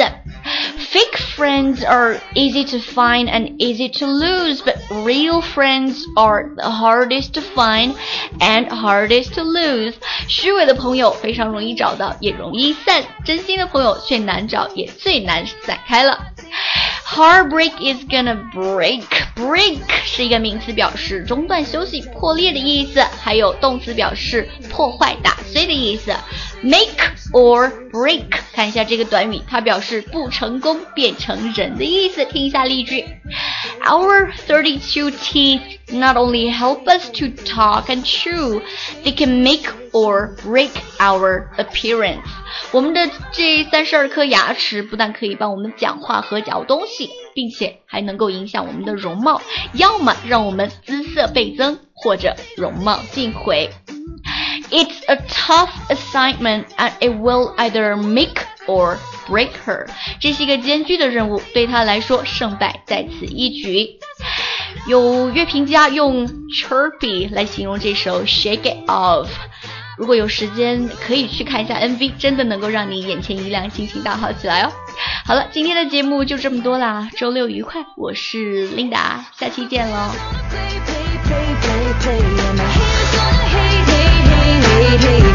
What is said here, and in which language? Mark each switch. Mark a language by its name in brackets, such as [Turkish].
[English] Fake friends are easy to find and easy to lose, but real friends are the hardest to find and hardest to lose. [Chinese] 虚伪的朋友非常容易找到也容易散，真心的朋友却难找也最难散开了。 [English] Heartbreak is gonna break. [Chinese] Break 是一个名词，表示中断、休息、破裂的意思，还有动词表示破坏、打碎的意思。 [English] Make or break， [Chinese] 看一下这个短语，它表示不成功、变成人的意思。听一下例句。 [English] Our 32 teeth not only help us to talk and chew, they can make or break our appearance. [Chinese] 我们的这32颗牙齿不但可以帮我们讲话和嚼东西，并且还能够影响我们的容貌，要么让我们姿色倍增，或者容貌尽毁。 [English] It's a tough assignment and it will either make or break her. [Chinese] 这是一个艰巨的任务，对她来说胜败在此一举。有乐评家用 chirpy 来形容这首 Shake It Off。如果有时间可以去看一下 MV， 真的能够让你眼前一亮，心情大好起来哦。好了，今天的节目就这么多啦，周六愉快，我是 Linda， 下期见咯。